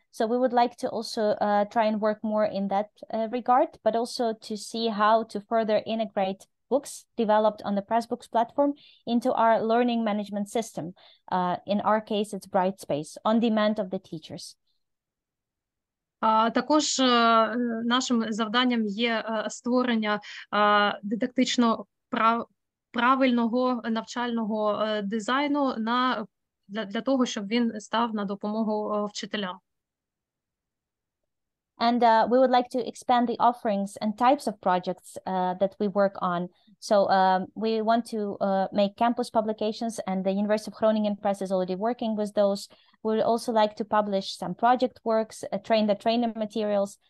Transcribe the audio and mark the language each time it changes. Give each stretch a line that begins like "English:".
English: So we would like to also try and work more in that regard, but also to see how to further integrate books developed on the Pressbooks platform into our learning management system. In our case, it's Brightspace, on demand of the teachers.
Ukrainian: Також нашим завданням є створення дидактично правильного навчального дизайну для того, щоб він став на допомогу вчителям.
English: And we would like to expand the offerings and types of projects that we work on. So we want to make campus publications, and the University of Groningen Press is already working with those. We would also like to publish some project works, train the trainer materials.